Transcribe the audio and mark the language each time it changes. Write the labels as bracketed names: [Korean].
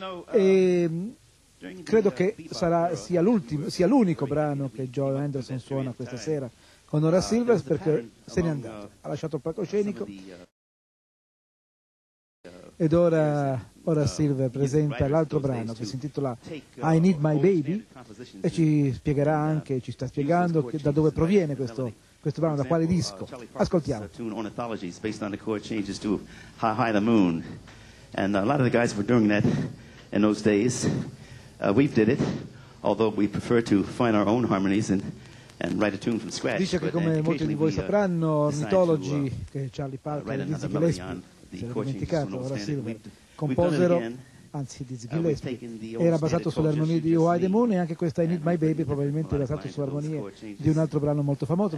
[Italian] E credo che sia l'unico brano che Joe Henderson suona questa sera con Ora Silver, perché se n'è andato, ha lasciato il palcoscenico. Ed ora Silver presenta l'altro brano che si intitola I Need My Baby e ci spiegherà anche, ci sta spiegando che, da dove proviene questo brano, da quale disco. Ascoltiamo. [English] Ornithologies based on the chord changes to High High the Moon. And a lot of the guys were doing that in those days. We did it, although we prefer to find our own harmonies and write a tune from scratch. [Italian] Dice che, come molti di voi sapranno, Ornithology, che Charlie Parker e Dizzy Gillespie, si era dimenticato, Ora Silver, composero, anzi Dizzy Gillespie, era basato sulle armonie di Why the Moon, e anche questa I Need My Baby probabilmente è basato sulle armonie di un altro brano molto famoso.